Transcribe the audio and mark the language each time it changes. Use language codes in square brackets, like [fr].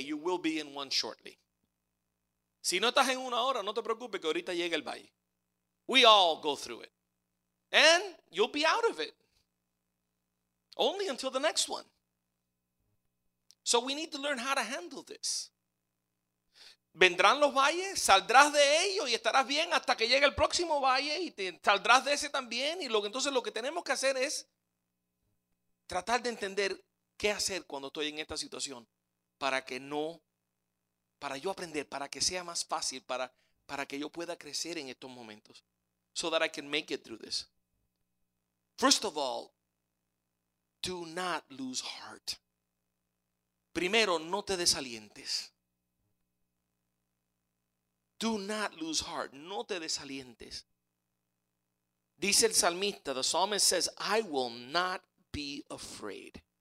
[en] You will be in one shortly. [es] Si no estás en una hora, no te preocupes que ahorita llega el valle. [en] We all go through it. And you'll be out of it. Only until the next one. So we need to learn how to handle this. [es] Vendrán los valles, saldrás de ellos y estarás bien hasta que llegue el próximo valle y te saldrás de ese también. Y entonces lo que tenemos que hacer es tratar de entender qué hacer cuando estoy en esta situación para yo aprender, para que sea más fácil, para que yo pueda crecer en estos momentos. [en] So that I can make it through this. First of all, do not lose heart. [es] Primero, no te desalientes. [en] Do not lose heart. [es] No te desalientes. Dice el salmista, [en] the psalmist says, I will not be afraid.